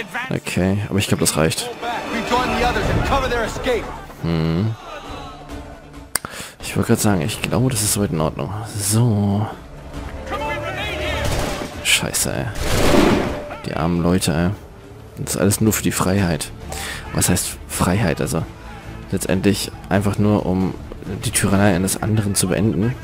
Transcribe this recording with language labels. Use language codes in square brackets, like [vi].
[de] Okay, aber ich glaube, das reicht. [en] join the others and cover their escape. [de] Ich wollte gerade sagen, ich glaube, das ist soweit in Ordnung. So. Scheiße, ey. Die armen Leute, ey. Das ist alles nur für die Freiheit. Was heißt Freiheit? Also letztendlich einfach nur, um die Tyrannei eines anderen zu beenden.